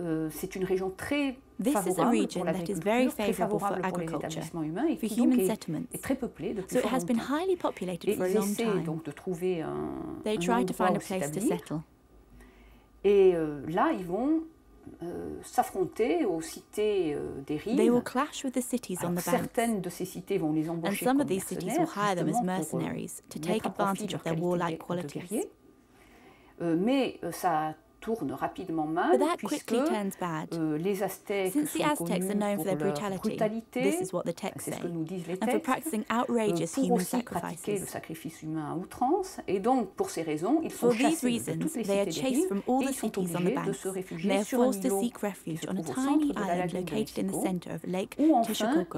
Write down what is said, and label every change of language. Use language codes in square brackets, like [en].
[fr] C'est une région très favorable pour l'agriculture, pour l'établissement humain, et très peuplée. Ils essaient donc de trouver un endroit où s'établir. Et là, ils vont s'affronter aux cités des rives. [en] They will clash with the cities on the banks. [fr] Certaines de ces cités vont les embaucher comme mercenaires, [en] will hire them as mercenaries to take advantage of their warlike qualities. [fr] Mais ça tourne rapidement mal puisque les Aztèques sont connus pour leur brutalité. C'est ce que nous disent les textes. [en] And for practicing outrageous human sacrifices. [fr] Pour aussi pratiquer le sacrifice humain à outrance. Et donc, pour ces raisons, ils sont chassés de toutes les cités des rives et ils sont obligés de se réfugier sur un îlot qui se trouve au centre de la lagune [en] located in the center of Lake Texcoco.